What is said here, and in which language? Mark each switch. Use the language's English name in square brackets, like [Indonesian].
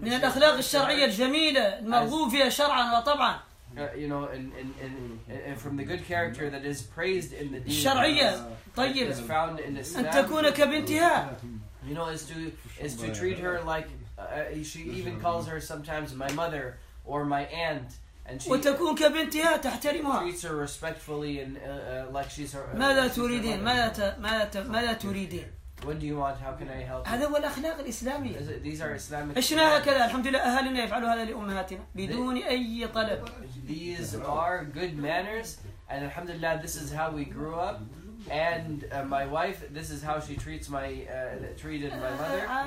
[Arabic] من الأخلاق الشرعية الجميلة المرغوب فيها شرعا وطبعا. [English] You know, and from the good character that is praised in the deen, is found in Islam. You know, is to treat her like she even calls her sometimes my mother or my aunt, and she treats her respectfully and like she's her. [Arabic] ماذا تريدين؟ ماذا تريدين؟ [English] What do you want? How can I help? [Arabic] هذا هو الأخلاق الإسلامية. [English] These are Islamic. [Arabic] إشنا هكذا الحمد لله أهلنا يفعلوا هذا لأمهاتنا بدون أي طلب. [English] These are good manners, and alhamdulillah, this is how we grew up. And my wife, this is how she treats my treated my mother.